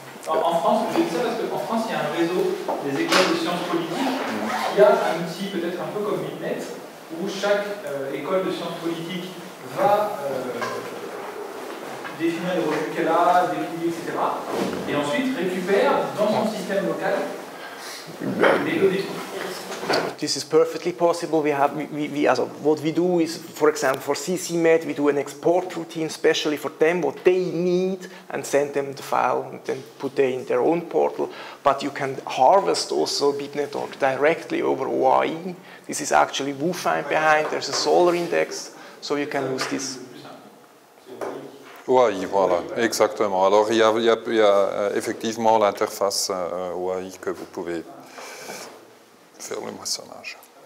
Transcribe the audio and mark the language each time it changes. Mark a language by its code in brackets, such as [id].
[fr] En France, je dis ça parce qu'en France, il y a un réseau des écoles de sciences politiques qui a un outil peut-être un peu comme MIPnet, où chaque école de sciences politiques va définir les revues qu'elle a, déplier, etc. Et ensuite récupère dans son système local les données. [en] This is perfectly possible. We have what we do is, for example, for CCMET, we do an export routine specially for them, what they need, and send them the file and then put it in their own portal. But you can harvest also BitNetOrg directly over OIE. This is actually WooFine behind. There's a solar index, so you can use this. [fr] OIE, voilà, exactement. Alors, il y a effectivement l'interface OIE que vous pouvez faire le moissonnage.